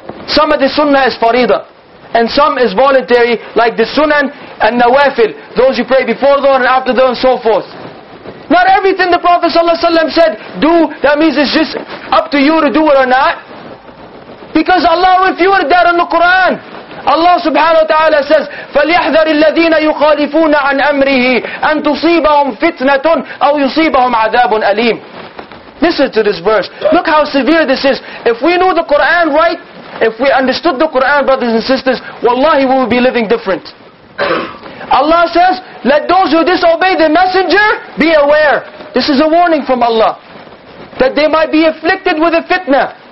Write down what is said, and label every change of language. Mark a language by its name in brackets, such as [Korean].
[English] Some of the sunnah is farida. And some is voluntary, like the sunan and nawafil. Those you pray before dhuhr and after dhuhr and so forth. Not everything the Prophet ﷺ said, do, that means it's just up to you to do it or not. Because Allah refuted that in the Quran. [Arabic] Allah subhanahu wa ta'ala says, فَلْيَحْذَرِ الَّذِينَ يُخَالِفُونَ عَنْ أَمْرِهِ أَنْ تُصِيبَهُمْ فِتْنَةٌ أَوْ يُصِيبَهُمْ عَذَابٌ أَلِيمٌ. [English] Listen to this verse. Look how severe this is. If we knew the Quran right, if we understood the Quran, brothers and sisters, wallahi we would be living different. Allah says, let those who disobey the messenger be aware. This is a warning from Allah. That they might be afflicted with a fitna.